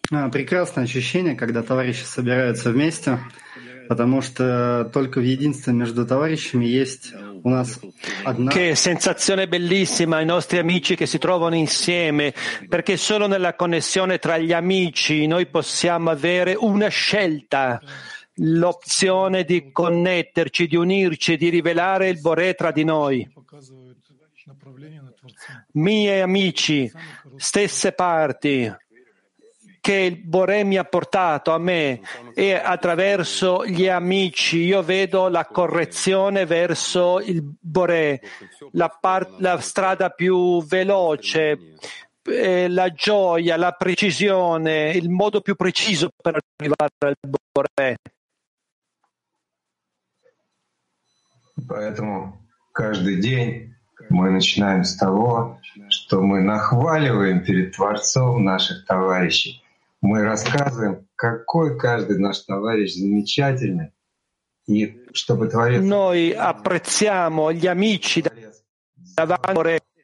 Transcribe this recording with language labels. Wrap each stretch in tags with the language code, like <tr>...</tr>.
<ru>прекрасное ощущение, когда товарищи собираются вместе, потому что только в единстве между товарищами есть у нас одна.</ru> <it>Che sensazione bellissima i nostri amici che si trovano insieme, perché solo nella connessione tra gli amici noi possiamo avere una scelta. L'opzione di connetterci, di unirci, di rivelare il Boré tra di noi. Miei amici, stesse parti, che il Boré mi ha portato a me e attraverso gli amici io vedo la correzione verso il Boré, la strada più veloce, la gioia, la precisione, il modo più preciso per arrivare al Boré.</it> <ru>Поэтому каждый день мы начинаем с того, что мы нахваливаем перед Творцом наших товарищей. Мы рассказываем, какой каждый наш товарищ замечательный. И чтобы Творец...</ru> <it>Noi apprezziamo gli amici davanti a Boré.</it>